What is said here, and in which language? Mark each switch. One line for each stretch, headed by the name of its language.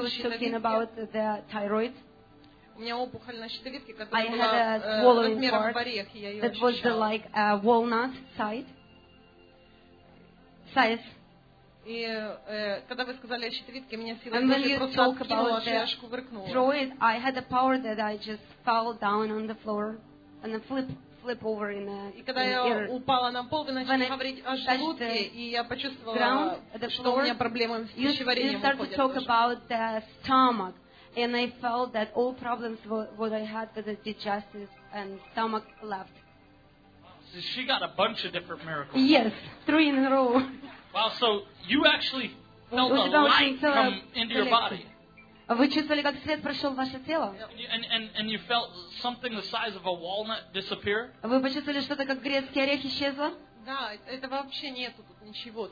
Russian: щитовидке, у меня опухоль на щитовидке, которая была размером в орех, и я ее ощущала.
English: Like a walnut size.
Russian: И когда вы сказали о щитовидке, меня сила просто откинула, что я аж кувыркнула.
English: Thyroid, I had a power that I just fell down on the floor and flip over in the
Russian: и когда я упала на пол, вы начали говорить о желудке, и я почувствовала,
English: ground, floor,
Russian: что у меня проблемы с пищеварением.
English: You started to talk about the stomach, and I felt that all problems what I had with the digestive and stomach left. She got a bunch of different miracles. Yes, three in a row. Wow, so you actually felt the light come into your body.
Russian: Вы чувствовали, как свет прошел в ваше тело?
English: And you felt something the size of a walnut disappear?
Russian: Вы почувствовали что-то, как грецкий орех исчезло? Да, это вообще нету тут ничего.